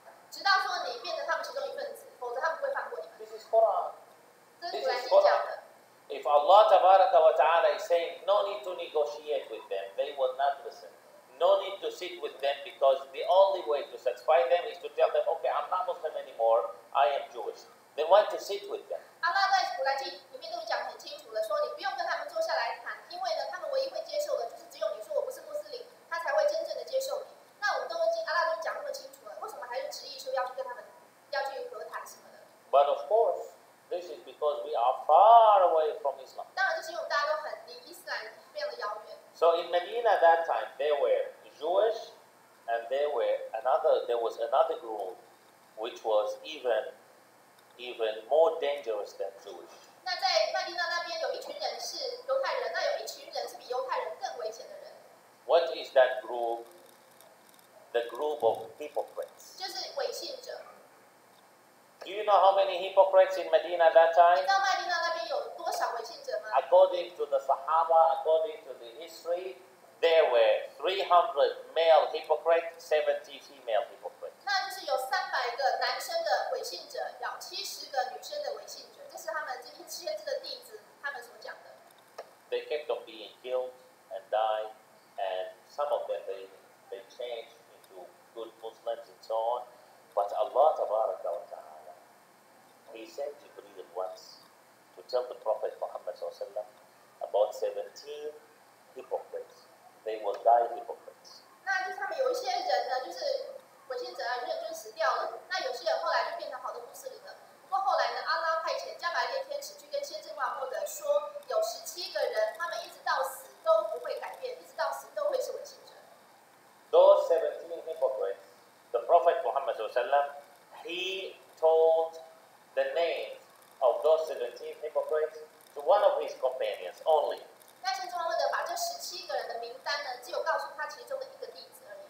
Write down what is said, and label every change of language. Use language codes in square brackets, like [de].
[zh] 直到说你变成他们其中一份子，否则他们不会放过你们。 [en] This is Quran. This is Quran. If Allah Tabaraka wa Taala is saying no need to negotiate with them, they will not listen. No need to sit with them because the only way to satisfy them is to tell them, okay, I'm not Muslim anymore. I am Jewish. They want to sit with them. [zh] Allah 在古兰经里面都讲很清楚了，说你不用跟他们坐下来谈，因为呢，他们唯一会接受的就是只有你说我不是穆斯林，他才会真正的接受你。那我们都已经阿拉都讲那么清楚了，为什么还是执意说要去跟他们要去和谈什么的 [en] ？But of course, this is because we are far away from Islam. [zh] 当然，就是因为大家都很离伊斯兰非常的遥远。 [en] So in Medina at that time, there were Jewish, and there was another group, which was even more dangerous than Jewish. [zh] 那在麦地那那边有一群人是犹太人，那有一群人是比犹太人更危险的人。 [en] What is that group? The group of hypocrites. [zh] 就是伪信者。 [en] Do you know how many hypocrites in Medina that time? [zh] 你知道麦地那那边有多少伪信者吗？ [en] According to the Sahaba, according to the history, there were 300 male hypocrites, 70 female hypocrites. [zh] 那就是有300个男生的伪信者，有70个女生的伪信者，这是他们这些先知的弟子他们所讲的。 [en] They kept on being killed and died, and some of them they changed into good Muslims and so on. But Allah Tabaraka wa Taala, He sent Jibreel once to tell the Prophet Muhammad Sallallahu Alaihi Wasallam about 17 hypocrites. They will die hypocrites. [zh] 那就是他们有一些人呢，就是。伪信者啊，有些人就死掉了。那有些人后来就变成好的穆斯林了。不过后来呢，阿拉派遣加百列天使去跟先知穆罕默德说，有17个人，他们一直到死都不会改变，一直到死都会是伪信者。 [en] Those 17 hypocrites, the Prophet Muhammad SAW, he told the names of those 17 hypocrites to one of his companions only. [zh] 那先知为了把这十七个人的名单呢，只有告诉他其中的一个弟子而已。